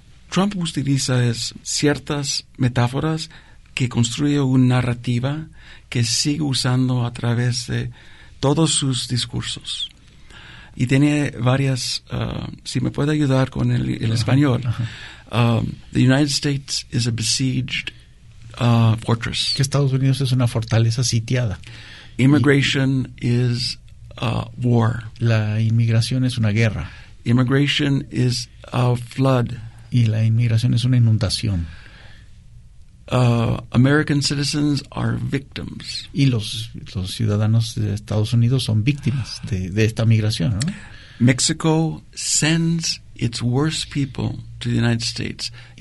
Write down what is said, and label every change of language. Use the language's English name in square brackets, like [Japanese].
[Spanish] Trump utiliza ciertas metáforas que construye una narrativa que sigue usando a través de todos sus discursos. Y tiene varias, si me puede ayudar con el español. [English] The United States is a besieged fortress. [Spanish] Que Estados Unidos es una fortaleza sitiada. [English] Immigration is a war. [Spanish] La inmigración es una guerra. [English] Immigration is a flood. [Spanish] Y la inmigración es una inundación. [English] American citizens are victims. [Spanish] Y los ciudadanos de Estados Unidos son víctimas de esta migración, ¿no? [English] Mexico sends its worst people to the United States.